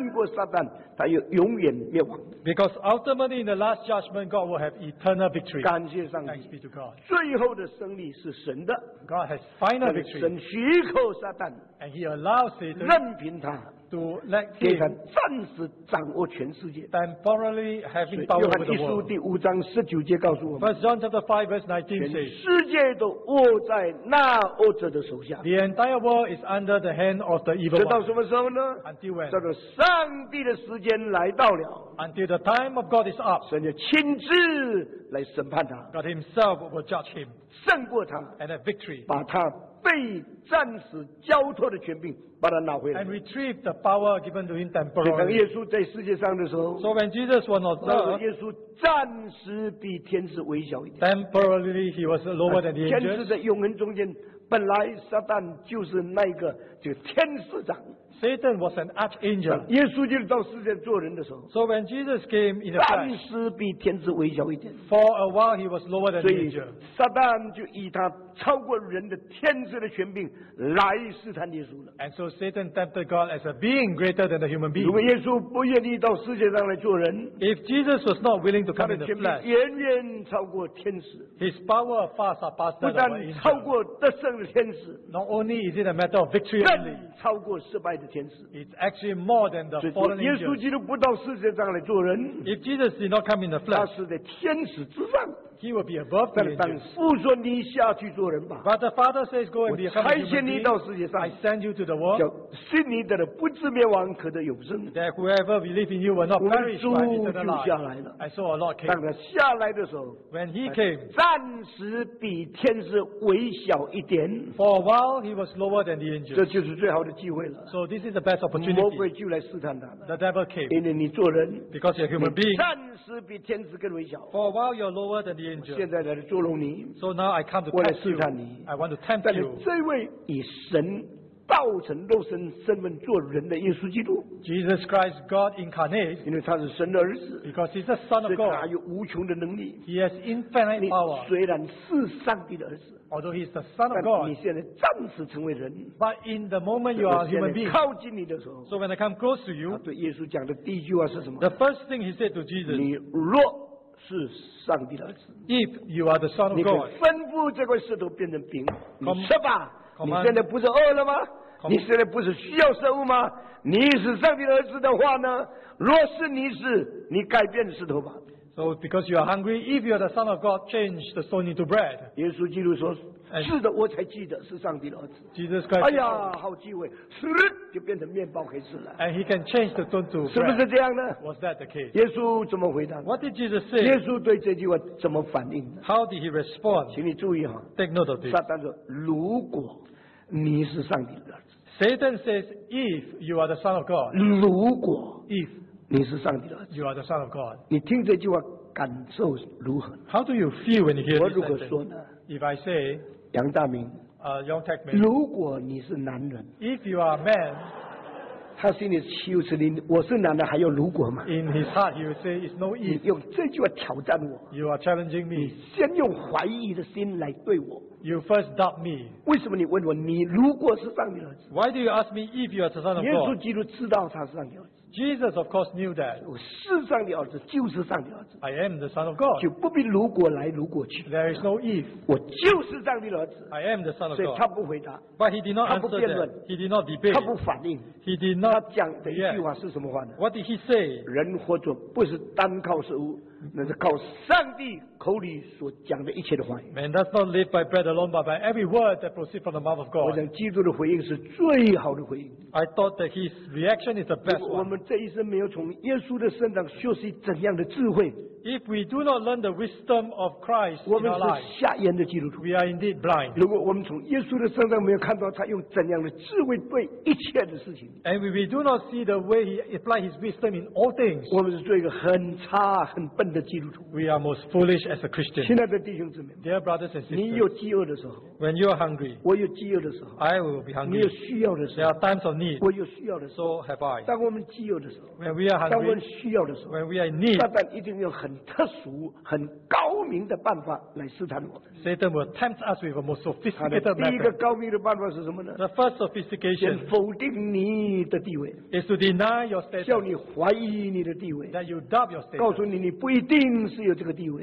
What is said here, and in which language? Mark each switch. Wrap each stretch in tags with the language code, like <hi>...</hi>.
<zh>因为终极性最后的审判来到的神要胜过撒旦，他要永远灭亡。</zh> <en>Because ultimately in the last judgment, God will have eternal victory.</en> <zh>感谢上帝。</zh> <en>Thanks be to God.</en> <zh>最后的胜利是神的。</zh> <en>God has final victory.</en> <zh>神许可撒旦。</zh> <en>And he allows Satan.</en> <zh>任凭他。</zh> <en>To let him</en> <zh>给他暂时掌握全世界。</zh> <en>Temporarily having power over the world.</en> <zh>约翰一书第5章19节告诉我们。</zh> <en>First John chapter 5 verse 19 says.</en> <zh>全世界都握在那恶者的手下。</zh> <en>The entire world is under the hand of the evil one.</en> <zh>直到什么时候呢？</zh> <en>Until when?</en> <zh>叫做上帝的时间来到了。</zh> <en>Until the time of God is up.</en> <zh>神就亲自来审判他。</zh> <en>God himself will judge him.</en> <zh>胜过他。</zh> <en>And a victory.</en> <zh>把他。被暂时交托的权柄，把它拿回来。</zh> <en>And retrieve the power given to him temporarily.</en> <zh>等耶稣在世界上的时候</zh> <en>，So when Jesus was not there,</en> <zh>耶稣暂时比天使微小一点。</zh> <en>Temporarily, he was lower than the angels.</en> <zh>天使在永恒中间，本来撒旦就是那个就天使长。</zh> <en>Satan was an archangel.</en> <zh>耶稣基督到世间做人的时候</zh> <en>，So when Jesus came in the flesh，</en> <zh>暂时比天使微小一点。</zh> <en>For a while he was lower than angel。</en> <zh>所以撒旦就以他超过人的天使的权柄来试探耶稣了。</zh> <en>And so Satan tempted God as a being greater than a human being。</en> <zh>如果耶稣不愿意到世界上来做人</zh> <en>，If Jesus was not willing to come in the flesh，</en> <zh>远远超过天使。</zh> <en>His power far surpassed that of angel。</en> <zh>不但超过得胜的天使</zh> <en>，Not only is it a matter of victory only，</en> <zh>更超过失败的。</zh> <en>It's actually more than the fallen angels.</en> <zh>耶稣基督不到世界上来做人。</zh> <en>If Jesus did not come in the flesh,</en> <zh>他是在天使之上。</zh> <en>He will be above the angels.</en> <zh>但父说你下去做人吧。</zh> <en>But the Father says, "Go and become a human being."</en> <zh>我差遣你到世界上。</zh> <en>I send you to the world.</en> <zh>信你的人不至灭亡，可得永生。</zh> <en>That whoever believes in you will not perish but have eternal life.</en> <zh>我们主就下来了。</zh> <en>I saw a Lord came.</en> <zh>当他下来的时候</zh> <en>，When he came,</en> <zh>暂时比天使微小一点。</zh> <en>For a while, he was lower than the angels.</en> <zh>这就是最好的机会了。</zh> <en>So this is the best opportunity.</en> <zh>魔鬼就来试探他。</zh> <en>The devil came.</en> <zh>因为你做人</zh> <en>，because you're a human being.</en> <zh>暂时比天使更微小。</zh> <en>For a while, you're lower than the angels.</en> <zh>现在来捉弄你</zh> <en>so now I come to</en> <zh>我来试探你</zh> <en>I want to tempt you.</en> <zh>但是这位以神道成肉身身份做人的耶稣基督</zh> <en>Jesus Christ God incarnate</en> <zh>因为他是神的儿子</zh> <en>because he's the son of God</en> <zh>他有无穷的能力</zh> <en>he has infinite power</en> <zh>虽然是上帝的儿子</zh> <en>although he's the son of God</en> <zh>但你现在暂时成为人</zh> <en>but in the moment you are a human being</en> <zh>靠近你的时候</zh> <en>so when I come close to you</en> <zh>他对耶稣讲的第一句话是什么</zh> <en>the first thing he said to Jesus</en> <zh>你若是上帝的儿子。</zh> <en>If you are the son of God，</en> <zh>你吩咐这块石头变成饼，你吃吧。你现在不是饿了吗？你现在不是需要食物吗？你是上帝的儿子的话呢？若是你是，你改变石头吧。</zh> <en>So because you are hungry, if you are the son of God, change the stone into bread.</en> <zh>耶稣基督说：“是的，我才记得是上帝的儿子。”</zh> <en>Jesus Christ.</en> <zh>哎呀，好机会，就变成面包可以吃了。</zh> <en>And he can change the stone to bread.</en> <zh>是不是这样呢</zh> <en>？Was that the case?</en> <zh>耶稣怎么回答</zh> <en>？What did Jesus say?</en> <zh>耶稣对这句话怎么反应</zh> <en>？How did he respond?</en> <zh>请你注意哈</zh> <en>，Take note of this.</en> <zh>撒旦说：“如果你是上帝的儿子。”</zh> <en>Satan says, "If you are the son of God."</en> <zh>如果</zh> <en>if</en> <zh>你是上帝的儿子</zh> <en>，You are the son of God。</en> <zh>你听这句话感受如何</zh> <en>？How do you feel when you hear this sentence？</en> <zh>我如果说呢</zh> <en>？If I say，</en> <zh>杨大明</zh> <en>，Young Techman，</en> <zh>如果你是男人</zh> <en>，If you are a man，</en> <zh>他心里羞耻，你我是男的还要如果吗</zh> <en>？In his heart he would say it's no if。</en> <zh>你用这句话挑战我</zh> <en>，You are challenging me。</en> <zh>你先用怀疑的心来对我。</zh> <en>You first doubt me.</en> <zh>为什么你问我你如果是上帝的儿子</zh> <en>？Why do you ask me if you are the son of God?</en> <zh>耶稣基督知道他是上帝儿子。</zh> <en>Jesus of course knew that.</en> <zh>我是上帝儿子，就是上帝儿子。</zh> <en>I am the son of God.</en> <zh>就不必如果来如果去。</zh> <en>There is no if.</en> <zh>我就是上帝儿子。</zh> <en>I am the son of God.</en> <zh>所以他不回答。</zh> <en>But he did not answer.</en> <zh>他不辩论。</zh> <en>He did not debate.</en> <zh>他不反应。</zh> <en>He did not.</en> <zh>他讲的一句话是什么话呢</zh> <en>？What did he say?</en> <zh>人活着不是单靠食物。那是靠上帝口里所讲的一切的话语。</zh> <en>Man does not live by bread alone, but by every word that proceeds from the mouth of God.</en> <zh>我想基督的回应是最好的回应。</zh> <en>I thought that his reaction is the best one.</en> <zh>我们这一生没有从耶稣的身上学习怎样的智慧。</zh> <en>If we do not learn the wisdom of Christ in our life,</en> <zh>我们是瞎眼的基督徒。</zh> <en>We are indeed blind.</en> <zh>如果我们从耶稣的身上没有看到他用怎样的智慧对一切的事情。</zh> <en>And we do not see the way he applied his wisdom in all things.</en> <zh>我们是做一个很差很笨的基督徒。</zh> <en>We are most foolish as a Christian.</en> <zh>亲爱的弟兄姊妹。</zh> <en>Dear brothers and sisters.</en> <zh>你有饥饿的时候。</zh> <en>When you are hungry.</en> <zh>我有饥饿的时候。</zh> <en>I will be hungry.</en> <zh>你有需要的时候。</zh> <en>There are times of need.</en> <zh>我有需要的时候。</zh> <en>So have I.</en> <zh>当我们饥饿的时候。</zh> <en>When we are hungry.</en> <zh>当我们需要的时候。</zh> <en>When we are in need.</en> <zh>撒旦一定用很特殊很高明的办法来试探我们。</zh> <en>Satan will tempt us with a most sophisticated method.</en> <zh>第一个高明的办法是什么呢</zh> <en>？The first sophistication.</en> <zh>先否定你的地位。</zh> <en>Is to deny your status.</en> <zh>叫你怀疑你的地位。</zh> <en>That you doubt your status.</en> <zh>告诉你你不一定是有这个地位。</zh>